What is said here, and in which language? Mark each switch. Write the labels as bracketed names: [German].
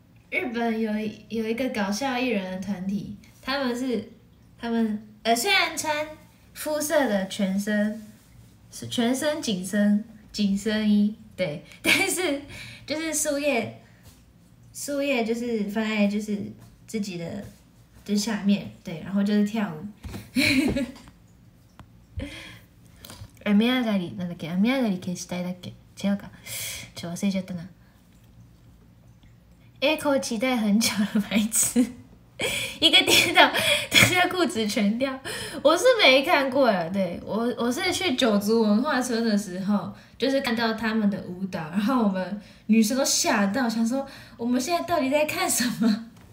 [Chinese] 日本有一个搞笑艺人的团体，他们虽然穿肤色的全身紧身衣，对，但是就是树叶就是放在就是自己的就下面，对，然后就是跳舞。 [Japanese] 雨上がり何だっけ、雨上がり消したいだっけ、違うか、ちょ忘れちゃったな。 [Chinese] Echo 期待很久了，白痴，一个跌倒，大家裤子全掉。我是没看过呀，对，我是去九族文化村的时候，就是看到他们的舞蹈，然后我们女生都吓到，想说我们现在到底在看什么？